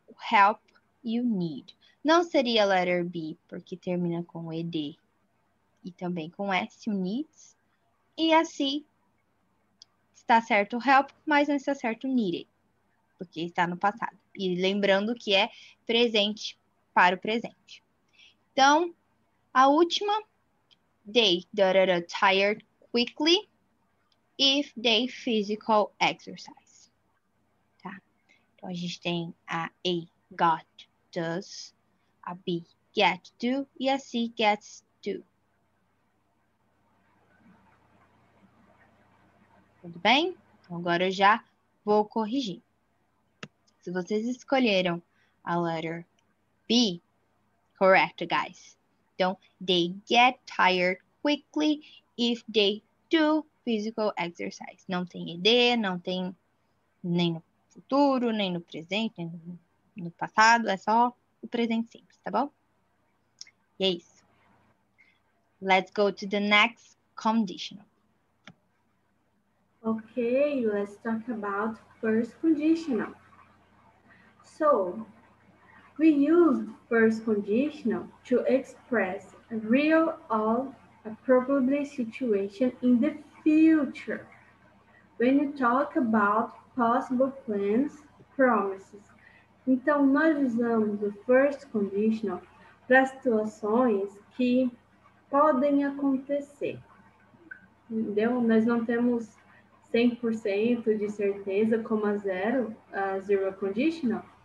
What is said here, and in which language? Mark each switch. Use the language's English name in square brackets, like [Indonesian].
[English] Help you need. [Portuguese] Não seria a letter B, porque termina com ED e também com S, [English] you needs. [Portuguese] E a C, está certo help, mas não está certo needed, porque está no passado. E lembrando que é presente para o presente. Então, a última. [English] They da-da-da tired quickly if they physical exercise. Tá? [Portuguese] Então, a gente tem a A, got, does. A B, get to. E a C, gets to. Tudo bem? Então, agora eu já vou corrigir. Se vocês escolheram a letter B, [English] correct, guys. Então, they get tired quickly if they do physical exercise. [Portuguese] Não tem ideia, não tem nem no futuro, nem no presente, nem no passado. É só o presente simples, tá bom? E é isso. [English] Let's go to the next conditional. Okay, let's talk about first conditional. So, we use first conditional to express a real or a probable situation in the future. When you talk about possible plans, promises. [Portuguese] Então, nós usamos o first conditional para situações que podem acontecer. Entendeu? Nós não temos 100% de certeza como a zero conditional.